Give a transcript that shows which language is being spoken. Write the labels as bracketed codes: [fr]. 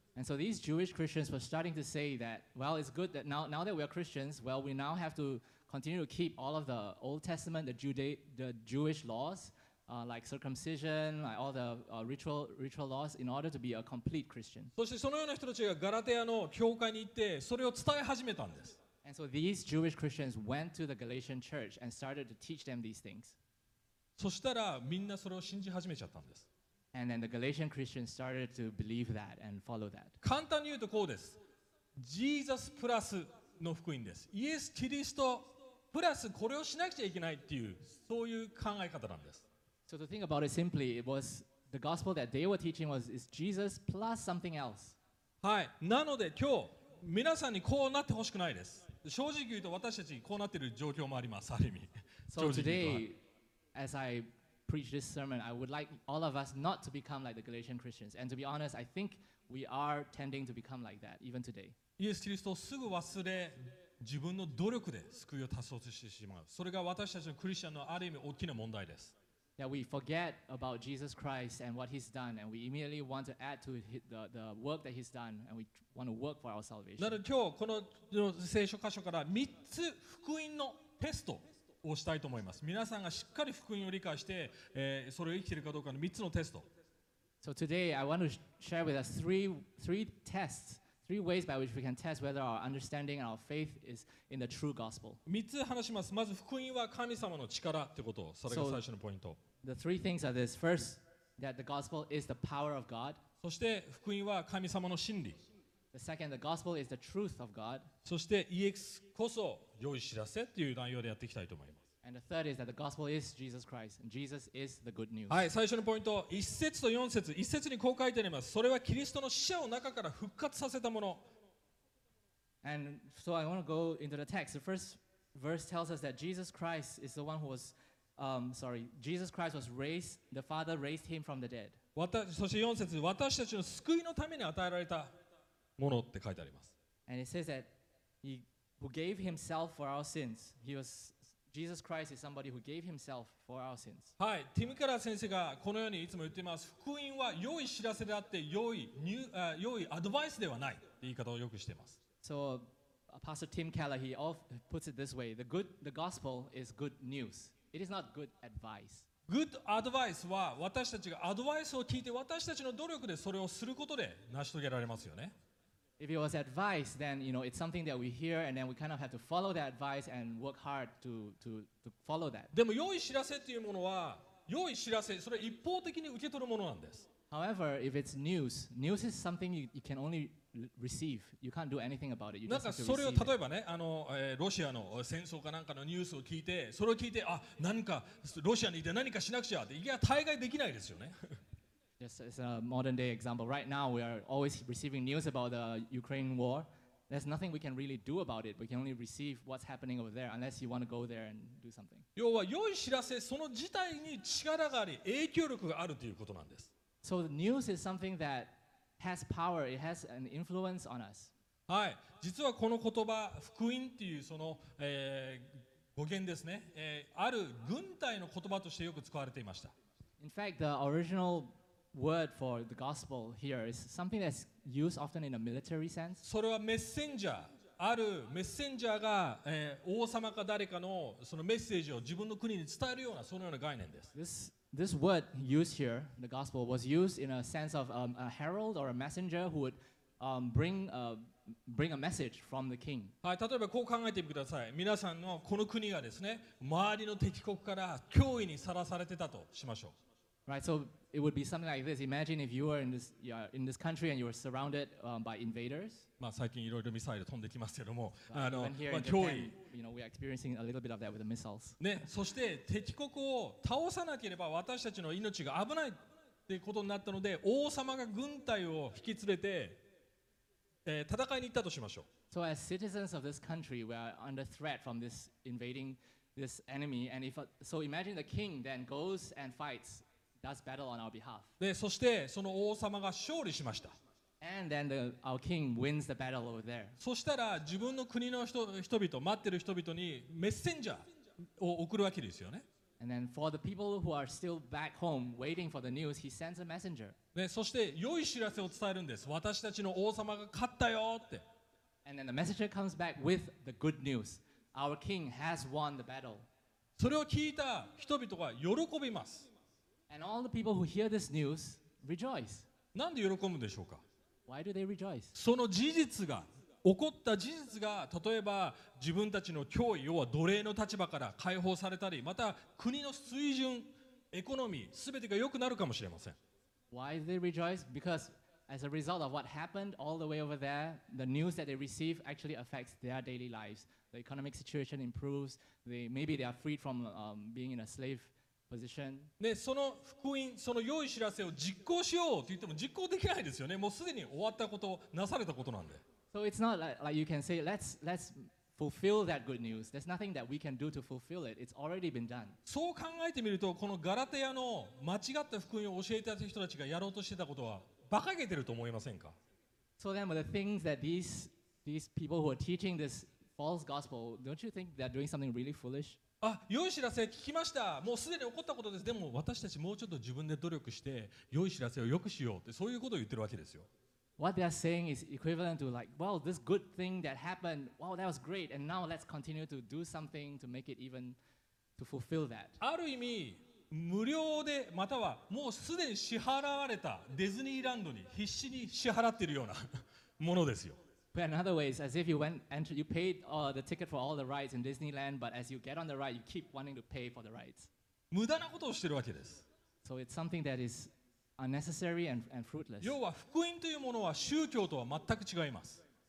[en] And so these Jewish Christians were starting to say that, well, it's good that now that we are Christians, well, we now have to continue to keep all of the Old Testament, the Jewish laws. Like circumcision, like all the ritual laws in order to be a complete Christian. [ja] そしてそのような人たちがガラテヤの教会に行ってそれを伝え始めたんです。 [en] And so these Jewish Christians went to the Galatian church and started to teach them these things. [ja] そしたらみんなそれを信じ始めちゃったんです。 [en] And then the Galatian Christians started to believe that and follow that. [ja] 簡単に言うとこうです。ジーザスプラスの福音です。イエス・キリストプラスこれをしなくちゃいけないっていうそういう考え方なんです。 [en] So to think about it simply, it was the gospel that they were teaching was is Jesus plus something else. [ja] はい。なので今日皆さんにこうなってほしくないです。正直言うと私たちこうなっている状況もあります。ある意味。 [en] So today, as I preach this sermon, I would like all of us not to become like the Galatian Christians. And to be honest, I think we are tending to become like that even today. [ja] イエス・キリストをすぐ忘れ、自分の努力で救いを達成してしまう。それが私たちのクリスチャンのある意味大きな問題です。 [en] That we forget about Jesus Christ and what He's done, and we immediately want to add to the work that He's done, and we want to work for our salvation. [ja] なので今日この聖書箇所から3つ福音のテストをしたいと思います。皆さんがしっかり福音を理解して、それを生きているかどうかの3つのテスト。 [en] So today I want to share with us three tests, three ways by which we can test whether our understanding and our faith is in the true gospel. [ja] 3つ話します。まず福音は神様の力ってこと。それが最初のポイント。 [en] The three things are this. First, that the gospel is the power of God. [ja] そして福音は神様の真理。 [en] The second, the gospel is the truth of God. [ja] そしてイエスこそ良い知らせっていう内容でやっていきたいと思います。 [en] And the third is that the gospel is Jesus Christ. And Jesus is the good news. [ja] はい、最初のポイント。1節と4節。 1節にこう書いてあります。それはキリストの死者を中から復活させたもの。 [en] And so I want to go into the text. The first verse tells us that Jesus Christ is the one who was Jesus Christ was raised, the Father raised him from the dead. [ja] そして4節、私たちの救いのために与えられたものって書いてあります。 [en] And it says that he who gave himself for our sins, Jesus Christ is somebody who gave himself for our sins. [ja] はい、ティム・カラー先生がこのようにいつも言っています。福音は良い知らせであって良いアドバイスではないって言い方をよくしています。 [en] So, Pastor Tim Keller, he puts it this way. The gospel is good news. It is not good advice. Good advice [ja] は私たちがアドバイスを聞いて私たちの努力でそれをすることで成し遂げられますよね。 [en] If it was advice, then you know, it's something that we hear and then we kind of have to follow that advice and work hard to follow that. [ja] でも良い知らせっていうものは良い知らせ、それは一方的に受け取るものなんです。 [en] However, if it's news is something you can only receive. You can't do anything about it. You just have to receive. [ja] なんかそれを例えばね、ロシアの戦争かなんかのニュースを聞いて、それを聞いて、あ、何かロシアにいて何かしなくちゃって、いや、大概できないですよね。 [en] Just as a modern day example, right now we are always receiving news about the Ukraine war. There's nothing we can really do about it. We can only receive what's happening over there unless you want to go there and do something. [ja] 要は良い知らせその事態に力があり影響力があるということなんです。 [en] So the news is something that has power. It has an influence on us. [ja] はい、実はこの言葉福音っていうその、語源ですね、ある軍隊の言葉としてよく使われていました。 [en] In fact, the original word for the gospel here is something that's used often in a military sense. [ja] それはメッセンジャー。あるメッセンジャーが、王様か誰かのそのメッセージを自分の国に伝えるようなそのような概念です。 [en] This word used here, the gospel, was used in a sense of a herald or a messenger who would bring a message from the king. [ja] はい、例えばこう考えてみてください。皆さんのこの国がですね、周りの敵国から脅威にさらされてたとしましょう。 [en] Right, so it would be something like this. Imagine if you were in this country and you were surrounded by invaders. [ja] まあ最近いろいろミサイル飛んできますけども、 [en] here in Japan, 脅威。 You know, we are experiencing a little bit of that with the missiles. [ja] ね、そして敵国を倒さなければ私たちの命が危ないってことになったので、王様が軍隊を引き連れて、戦いに行ったとしましょう。 [en] So as citizens of this country, we are under threat from this invading this enemy. And if so, imagine the king then goes and fights. Does battle on our behalf. [ja] で、そしてその王様が勝利しました。 [en] And then our king wins the battle over there. [ja] そしたら自分の国の人々、待ってる人々にメッセンジャーを送るわけですよね。 [en] And then for the people who are still back home waiting for the news, he sends a messenger. [ja] で、そして良い知らせを伝えるんです。私たちの王様が勝ったよって。 [en] And then the messenger comes back with the good news. Our king has won the battle. [ja] それを聞いた人々が喜びます。 [en] And all the people who hear this news rejoice. [ja] なんで喜ぶんでしょうか? [en] Why do they rejoice? [ja] その事実が、起こった事実が、例えば自分たちの脅威、要は奴隷の立場から解放されたり、また国の水準、エコノミー、すべてが良くなるかもしれません。 [en] Why do they rejoice? Because as a result of what happened all the way over there, the news that they receive actually affects their daily lives. The economic situation improves. Maybe they are freed from being in a slave. [ja] でその福音、その良い知らせを実行しようと言っても実行できないですよね。もうすでに終わったこと、なされたことなんで。 [en] So it's not like you can say, let's fulfill that good news. There's nothing that we can do to fulfill it. It's already been done. [ja] そう考えてみると、このガラテヤの間違った福音を教えていた人たちがやろうとしてたことは馬鹿げてると思いませんか? [en] So then the things that these people who are teaching this false gospel, don't you think they're doing something really foolish? [ja] あ、良い知らせ聞きました。もうすでに起こったことです。でも私たちもうちょっと自分で努力して良い知らせを良くしようってそういうことを言ってるわけですよ。 [en] What they are saying is equivalent to like, well, this good thing that happened, wow, that was great, and now let's continue to do something to make it even to fulfill that. [ja] ある意味無料でまたはもうすでに支払われたディズニーランドに必死に支払ってるようなものですよ。 [en] But in other ways, as if you went and you paid the ticket for all the rides in Disneyland, but as you get on the ride, you keep wanting to pay for the rides. [ja] 無駄なことをしてるわけです。 [en] So it's something that is unnecessary and fruitless. [ja] 要は福音というものは宗教とは全く違います。